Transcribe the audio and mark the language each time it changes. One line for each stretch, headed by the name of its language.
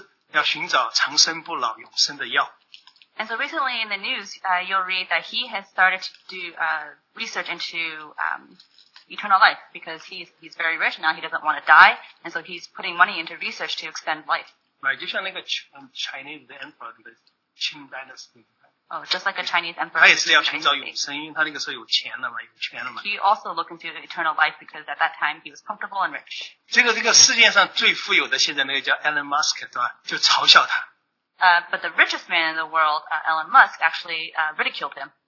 Chinese: 这世界上第二大的富翁。那最近你们大家新闻也看就知道，他开始在该要寻求永生了，因为他很富有嘛，就像我们的中国的秦始皇一样，因为他有很钱了，不想死了，所以他开始投资，要寻找长生不老永生的药。
English: And so recently in the news, you'll read that he has started to do research into eternal life because he's very rich now. He doesn't want to die, and so he's putting money into research to extend life. Right, just like a Chinese emperor, the Qing Dynasty. Oh, just like a Chinese emperor.
Chinese: 他也是要寻找永生，因为他那个时候有钱了嘛。
English: He also looked into eternal life because at that time he was comfortable and rich.
Chinese: 这个世界上最富有的现在那个叫 Elon Musk 对吧？就嘲笑他。
English: But the richest man in the world, Elon Musk, actually ridiculed him.